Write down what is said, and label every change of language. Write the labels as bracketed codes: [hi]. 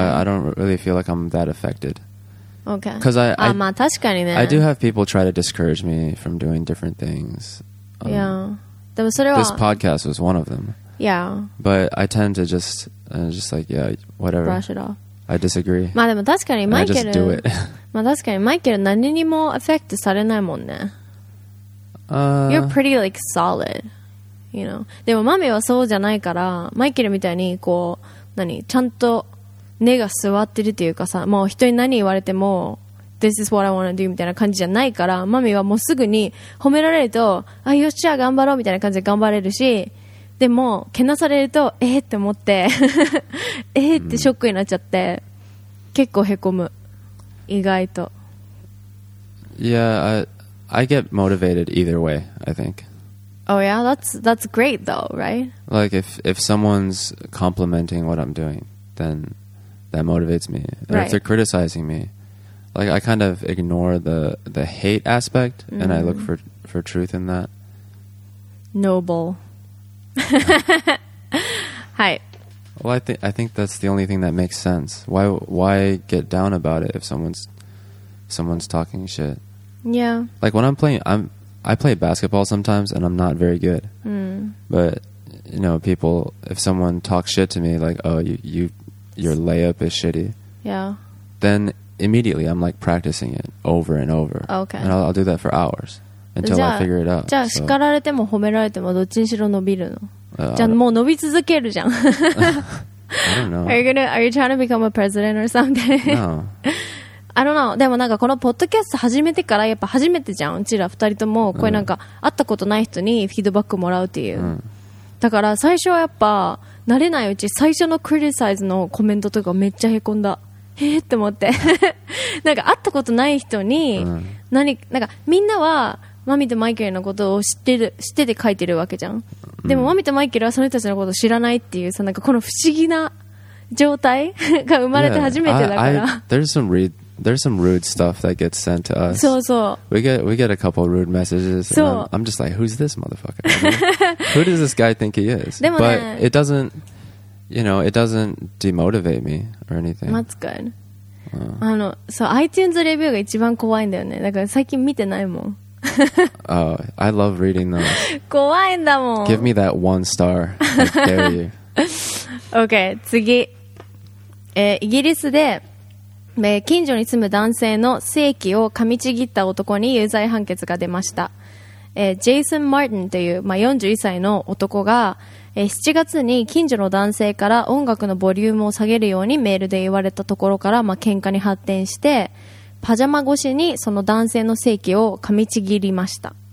[en] I don't really feel like I'm that affected. Okay. Because I do have people try to discourage me from doing different things. Yeah. This podcast was one of them. Yeah. But I tend to just like, yeah, whatever. Brush it off. I disagree. [ja] まあでも確かにマイケル。 [en] I just do it. [ja] まあ確かにマイケル何にもアフェクトされないもんね。 [en] You're pretty like solid, you know. [ja] でもマミはそうじゃないから、マイケルみたいにこう、何、ちゃんと根が座ってるというかさもう人に何言われても [en] This is what I want to do [ja] みたいな感じじゃないからマミはもうすぐに褒められるとあよっしゃ頑張ろうみたいな感じで頑張れるしでもけなされるとえー、って思ってえってショックになっちゃって結構へこむ意外と [en] Yeah, I get motivated either way, I think Oh yeah, that's great though, right? Like if someone's complimenting what I'm doing, thenThat motivates me. And right. if they're criticizing me, like I kind of ignore the hate aspect and I look for truth in that. Noble. Hi. Well, I think that's the only thing that makes sense. Why get down about it if someone's talking shit? Yeah. Like when I play basketball sometimes and I'm not very good. But, you know, people, if someone talks shit to me, like, oh, your layup is shitty. Yeah. Then immediately I'm like practicing it over and over. Okay. And I'll do that for hours until I figure it out. [ja] じゃあ、叱られても褒められてもどっちにしろ伸びるの。じゃあもう伸び続けるじゃん。 [en] I don't know. Are you trying to become a president or something? No. I don't know. [ja] でもなんかこのポッドキャスト始めてからやっぱ初めてじゃん。うちら二人ともこれなんか会ったことない人にフィードバックもらうっていう。だから最初はやっぱ慣れないうち最初のクリティサイズのコメントとかめっちゃへこんだへーって思ってなんか会ったことない人に何なんかみんなはマミとマイケルのことを知ってて書いてるわけじゃん、でもマミとマイケルはその人たちのことを知らないっていうさなんかこの不思議な状態が生まれて初めてだから [en] There's some rude stuff that gets sent to us. So, so. We get a couple rude messages. So. I'm just like, who's this motherfucker? Who does this guy think he is? But it doesn't, you know, it doesn't demotivate me or anything. That's good. So iTunes review [ja] が一番怖いんだよね。だから最近見てないもん。 [en] Oh, I love reading those. [ja] 怖いんだもん。 [en] Give me that one star. I dare you. [ja] OK 次、イギリスで、近所に住む男性の性器を噛みちぎった男に有罪判決が出ました。ジェイソン・マーティンという、41歳の男が、7月に近所の男性から音楽のボリュームを下げるようにメールで言われたところから、喧嘩に発展してパジャマ越しにその男性の性器を噛みちぎりました。